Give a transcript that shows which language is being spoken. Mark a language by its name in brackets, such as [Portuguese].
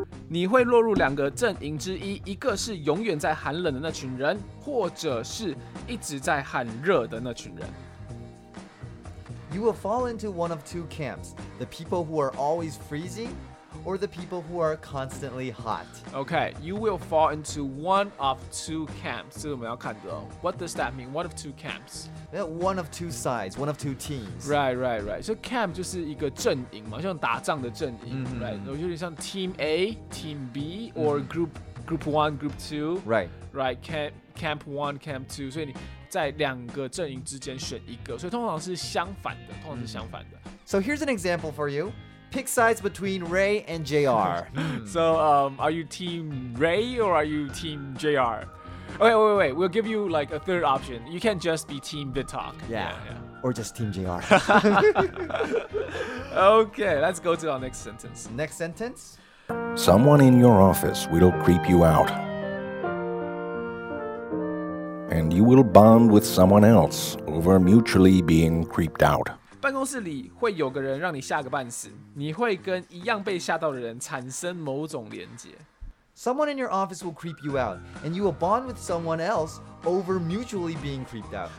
[Chinese] 你会落入两个阵营之一，一个是永远在寒冷的那群人，或者是一直在喊热的那群人。 [English] You will fall into one of two camps: the people who are always freezing, or the people who are constantly hot. Okay, you will fall into one of two camps. [Chinese] 这是我们要看的哦。 [English] What does that mean? One of two camps. One of two sides, one of two teams. Right. So camp [Chinese] 就是一个阵营嘛，像打仗的阵营、mm-hmm. ， [English] right？ [Chinese] 有点像 [English] Team A, Team B, or、mm-hmm. Group One, Group Two. Right. Camp One, Camp Two. [Chinese] 所以你在两个阵营之间选一个，所以通常是相反的，通常是相反的。 Mm-hmm. [English] So here's an example for you. Pick sides between Ray and JR. So, are you Team Ray or are you Team JR? Okay, wait. We'll give you like a third option. You can't just be Team VidTalk. Yeah. Or just Team JR. Okay, let's go to our next sentence. Next sentence. Someone in your office will creep you out. And you will bond with someone else over mutually being creeped out. [Chinese] 办公室里会有个人让你吓个半死，你会跟一样被吓到的人产生某种连结。 [English] Someone in your office will creep you out, and you will bond with someone else over mutually being creeped out.